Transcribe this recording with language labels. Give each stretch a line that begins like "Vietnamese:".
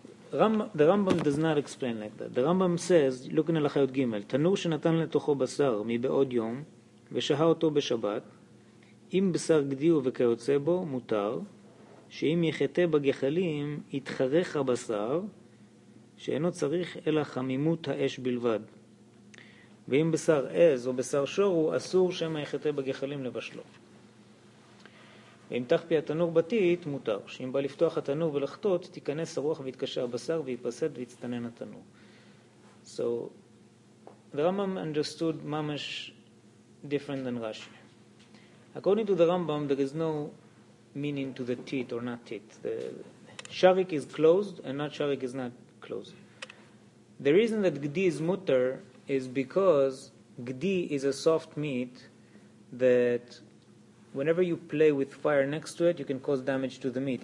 English: The Rambam does not explain like that. The Rambam says, look in
Hebrew: Halacha Yud Gimel, Tanur shenatan letocho basar mi beod yom v'shaha oto b'shabat im basar gdi uvekayotze bo mutar she'im yechete b'gechalim itcharecha basar שאינו צריך אלא חמימות האש בלבד. ואם בשר עז או בשר שור הוא אסור שמה יחטא בגחלים לבשלו. ואם תחפי התנור בתית מותר, שאם בא לפתוח התנור ולחטות, תיכנס הרוח ויתקשה הבשר ויפסד ויצטנן התנור.
English: So, the Rambam understood ממש different than Rashi. According to the Rambam, there is no meaning to the tit or not tit. The sharik is closed and not sharik is not closed. The reason that gdi is mutter is because gdi is a soft meat that whenever you play with fire next to it, you can cause damage to the meat.